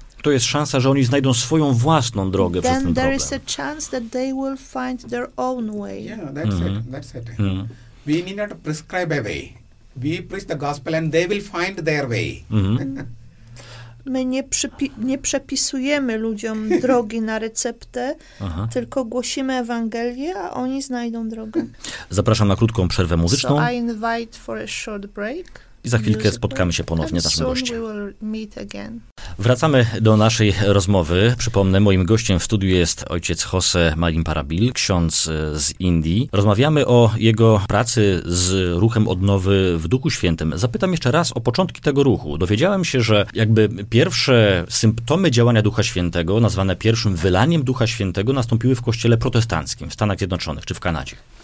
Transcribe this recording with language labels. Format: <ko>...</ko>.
<pl>To jest szansa, że oni znajdą swoją własną drogę przez ten problem.</pl> <en>There is a chance that they will find their own way. Yeah, that's it. Mm. We need not prescribe a way. We preach the gospel and they will find their way. Mm.</en> <pl>My nie przepisujemy ludziom drogi na receptę, tylko głosimy Ewangelię, a oni znajdą drogę. Zapraszam na krótką przerwę muzyczną.</pl> <en>So I invite for a short break.</en> <pl>I za chwilkę spotkamy się ponownie z naszym gościem.</pl> <en>We will meet again.</en> <pl>Wracamy do naszej rozmowy. Przypomnę, moim gościem w studiu jest ojciec Jose Malim Parabil, ksiądz z Indii. Rozmawiamy o jego pracy z ruchem odnowy w Duchu Świętym. Zapytam jeszcze raz o początki tego ruchu. Dowiedziałem się, że jakby pierwsze symptomy działania Ducha Świętego, nazwane pierwszym wylaniem Ducha Świętego, nastąpiły w kościele protestanckim w Stanach Zjednoczonych czy w Kanadzie.</pl>